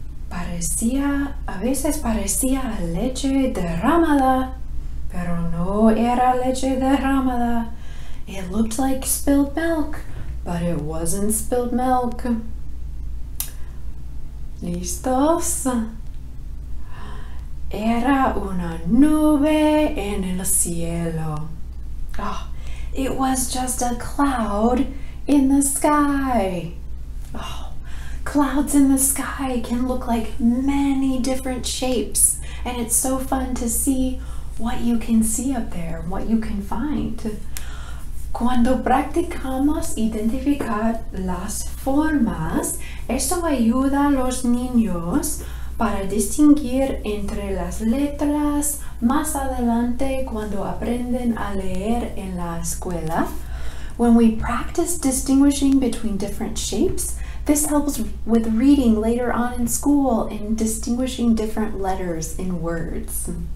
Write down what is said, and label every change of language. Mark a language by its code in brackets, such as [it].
[es] Parecía, a veces parecía leche derramada, pero no era leche derramada. [en] It looked like spilled milk, but it wasn't spilled milk. [es] ¿Listos? Era una nube en el cielo. [en] Oh, it was just a cloud in the sky. Oh, clouds in the sky can look like many different shapes, and it's so fun to see what you can see up there, what you can find. [es] Cuando practicamos identificar las formas, eso ayuda a los niños para distinguir entre las letras más adelante cuando aprenden a leer en la escuela. [en] When we practice distinguishing between different shapes, this helps with reading later on in school and distinguishing different letters in words.